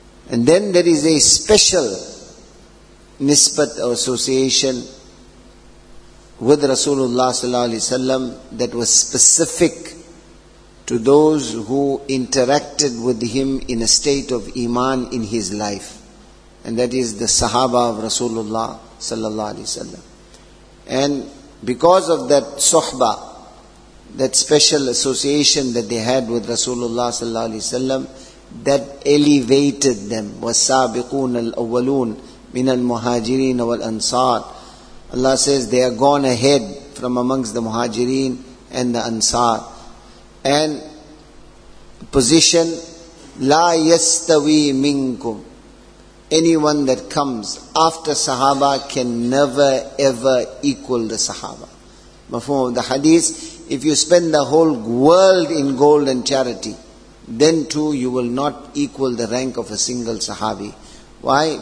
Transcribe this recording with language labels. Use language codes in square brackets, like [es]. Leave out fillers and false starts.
[en] And then there is a special nisbat or association with Rasulullah sallallahu alaihi wasallam that was specific to those who interacted with him in a state of iman in his life. And that is the sahaba of Rasulullah sallallahu alaihi wasallam. And because of that suhba, that special association that they had with Rasulullah sallallahu alaihi wasallam, that elevated them. [ar] والسابقون الأولون من المهاجرين والأنصار. [en] Allah says they are gone ahead from amongst the muhajirin and the ansar. And position, [ar] لا يستوي منكم. [en] Anyone that comes after sahaba can never ever equal the sahaba. Mafhum of the hadith, if you spend the whole world in gold and charity, then too you will not equal the rank of a single sahabi. Why?